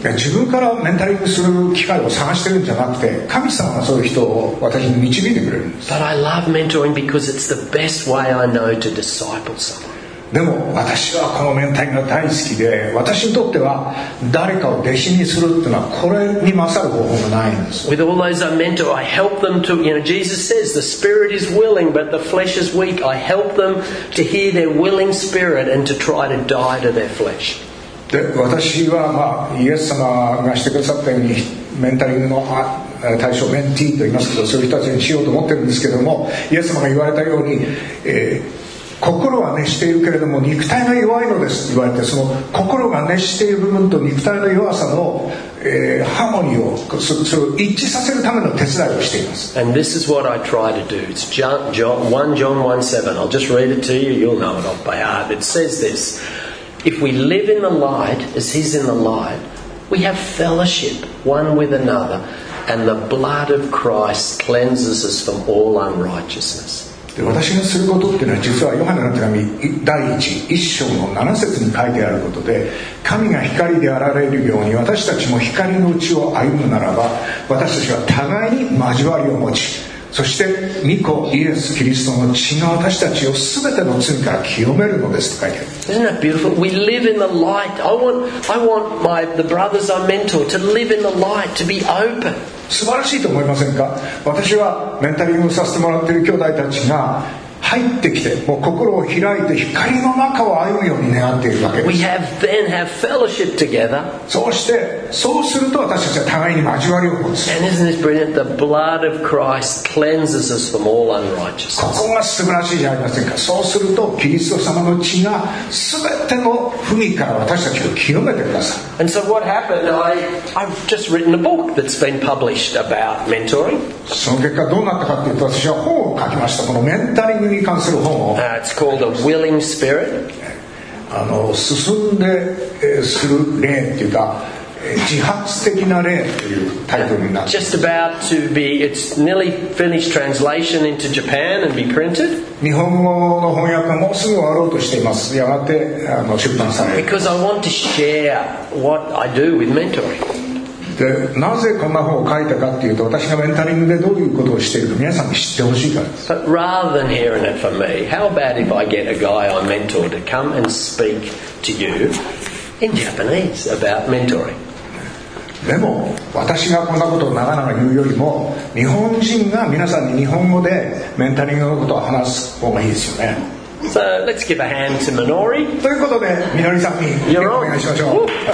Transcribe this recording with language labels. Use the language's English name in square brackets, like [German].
[Japanese] 自分からメンタリングする機会を探してるんじゃなくて神様がそういう人を私に導いてくれるんです。 [English] But I love mentoring because it's the best way I know to disciple someone. [Japanese] でも私はこのメンタリングが大好きで私にとっては誰かを弟子にするっていうのはこれに勝る方法がないんです。 [English] With all those I mentor, I help them to, you know, Jesus says the spirit is willing but the flesh is weak. I help them to hear their willing spirit and to try to die to their flesh. [Japanese] で私は、まあ、イエス様がしてくださったようにメンタリングの対象メンティーと言いますけどそういう人たちにしようと思ってるんですけどもイエス様が言われたように、心は熱しているけれども肉体が弱いのですと言われてその心が熱している部分と肉体の弱さの、ハーモニーをそれを一致させるための手伝いをしています。 [English] And this is what I try to do. It's 1 John 1:7. I'll just read it to you. You'll know it off by heart. It says thisIf we live in the light as he's in the light, we have fellowship one with another, and the blood of Christ cleanses us from all unrighteousness. [Japanese] で、私がすることっていうのは実はヨハネの手紙第1章7節に書いてあることで、神が光であられるように私たちも光のうちを歩むならば、私たちは互いに交わりを持ち、そして御子イエス・キリストの血が私たちを全ての罪から清めるのですと書いてある。 [English] Isn't that beautiful? We live in the light. I want my, the brothers I mentor to live in the light, to be open. [Japanese] 素晴らしいと思いませんか？私はメンタリングをさせてもらっている兄弟たちが入ってきてもう心を開いて光の中を歩むように願っているわけです。 [English] We have then have fellowship together. [Japanese] そしてそうすると私たちは互いに交わりを持つ。 [English] And isn't this brilliant? The blood of Christ cleanses us from all unrighteousness. [Japanese] ここが素晴らしいじゃありませんか。そうするとキリスト様の血が全ての罪から私たちを清めてください。 [English] And so what happened? I've just written a book that's been published about mentoring. [Japanese] その結果どうなったかというと私は本を書きました。このメンタリングに関する本を。 [English] It's called A Willing Spirit. [Japanese] 進んでする霊というか自発的な霊というタイトルになって [English] just about to be, it's nearly finished translation into Japan and be printed. [Japanese] 日本語の翻訳がもうすぐ終わろうとしています。やがて出版される。 [English] Because I want to share what I do with mentoring. [Japanese] でなぜこんな本を書いたかっていうと私がメンタリングでどういうことをしているか皆さんに知ってほしいからです。 [English] But rather than hearing it from me, how about if I get a guy I mentor to come and speak to you in Japanese about mentoring? [Japanese] でも私がこんなことを長々言うよりも日本人が皆さんに日本語でメンタリングのことを話す方がいいですよね。 [English] So let's give a hand to Minori. [Japanese] ということでみのりさんにお願いしましょう。